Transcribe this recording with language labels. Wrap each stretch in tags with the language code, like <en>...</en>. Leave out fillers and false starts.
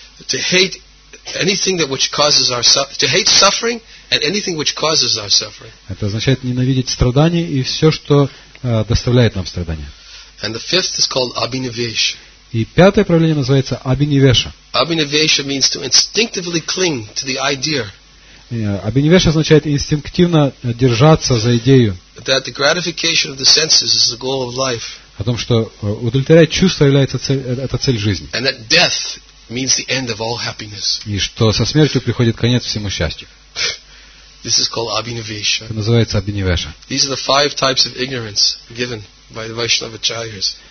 <en>To hate anything that which causes our to hate suffering and anything which causes our suffering.</en> <ru>Это означает ненавидеть страдания и все, что доставляет нам страдания.</ru> <en>And the fifth is called abhinivesh.</en> <ru>И пятое проявление называется абхинивеша.</ru> <en>Абхинивеша means to instinctively cling to the idea.</en> <ru>Абхинивеша означает инстинктивно держаться за идею.</ru> <en>That the gratification of the senses is the goal of life.</en> <ru>О том, что удовлетворять чувства является цель, это цель жизни.</ru> <en>And that death means the end of all happiness.</en> <ru>И что со смертью приходит конец всему счастью.</ru> <en>This is called Abhinivesha.</en> <ru>Это называется Абхинивеша.</ru> <en>These are the five types of ignorance given by the Vaishnava Acharyas.</en>